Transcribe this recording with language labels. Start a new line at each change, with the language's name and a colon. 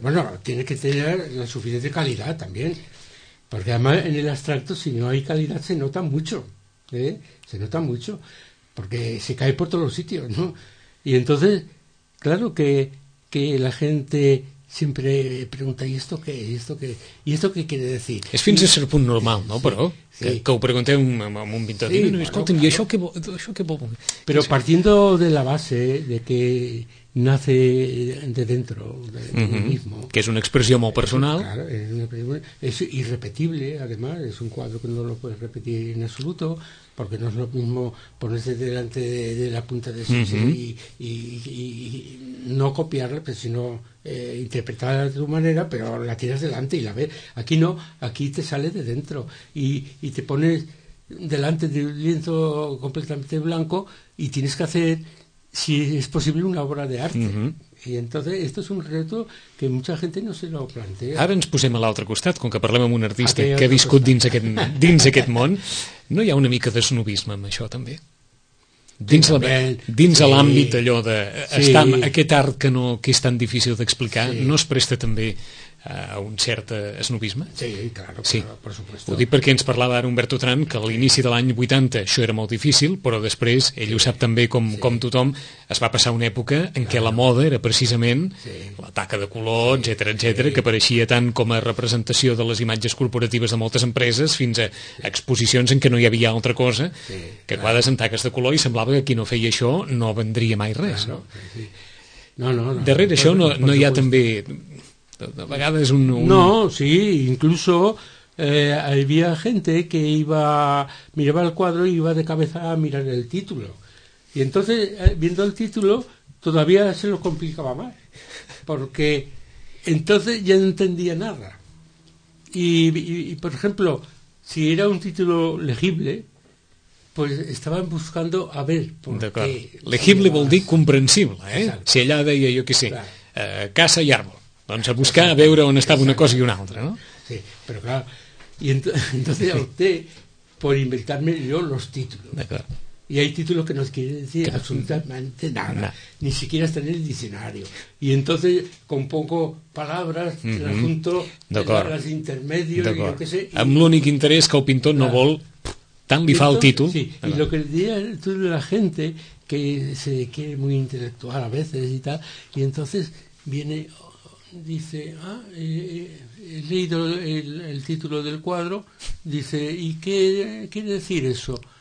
Spanish: Bueno, tiene que tener la suficiente calidad también, porque además en el abstracto si no hay calidad se nota mucho, ¿eh? Se nota mucho, porque se cae por todos los sitios, ¿no? Y entonces, claro que la gente siempre pregunta, ¿y esto qué quiere decir?
Catalan: Es fins a ser punt normal, ¿no? Sí, però, sí. Que ho pregunteu a un pintor, sí, no, escolta'm, claro. ¿Això què vol?
Spanish: Però partiendo de la base de que nace de dentro del mismo.
Catalan: Que és una expressió molt personal.
Spanish: Claro, es irrepetible, además, es un cuadro que no lo puedes repetir en absoluto. Porque no es lo mismo ponerse delante de la punta de Sisi y no copiarla, pero sino interpretarla de tu manera, pero la tiras delante y la ves. Aquí no, aquí te sale de dentro y te pones delante de un lienzo completamente blanco y tienes que hacer, si es posible, una obra de arte. Y entonces esto es un reto que mucha gente no se lo plantea.
Catalan: Ara ens posem a l'altre costat, com que parlem amb un artista que ha viscut dins aquest món. No hi ha una mica de snobisme en això, també? Dins l'àmbit d'allò de... Sí. Estar amb aquest art que és tan difícil d'explicar, sí. No es presta també a un cert snobisme?
Spanish: Sí, claro, por supuesto.
Catalan: Ho dic perquè ens parlava ara Humberto Trump, que a l'inici de l'any 80 això era molt difícil, però després, ell ho sap també com tothom, es va passar una època en què la moda era precisament la taca de color, etcètera, que apareixia tant com a representació de les imatges corporatives de moltes empreses, fins a exposicions en què no hi havia altra cosa, que quadres amb taques de color, i semblava que qui no feia això no vendria mai res.
Spanish: Claro, no.
Catalan: Darrere d'això no hi ha també... De vegades
Spanish: No, sí, incluso había gente que iba, miraba el cuadro y iba de cabeza a mirar el título. Y entonces, viendo el título, todavía se lo complicaba más, porque entonces ya no entendía nada. Y por ejemplo, si era un título legible, pues estaban buscando a ver por qué.
Catalan: Legible vol dir comprensible, eh? Exacte. Si allà deia, jo què sé, casa i árbol, doncs a buscar, a veure on estava una cosa i una altra, no? Sí, però clar,
Spanish: y entonces opté por inventarme yo los títulos.
Catalan: D'acord.
Spanish: Y hay títulos que no quieren decir absolutamente nada, ni siquiera están en el diccionario. Y entonces compongo palabras, las junto, las intermedio, y lo que sé. Y...
Catalan: amb l'únic interès que el pintor no vol, tant li fa el títol.
Spanish: Sí, y lo que diría tú de la gente, que se quiere muy intelectual a veces y tal, y entonces viene, dice, he leído el título del cuadro, dice, ¿y qué quiere decir eso?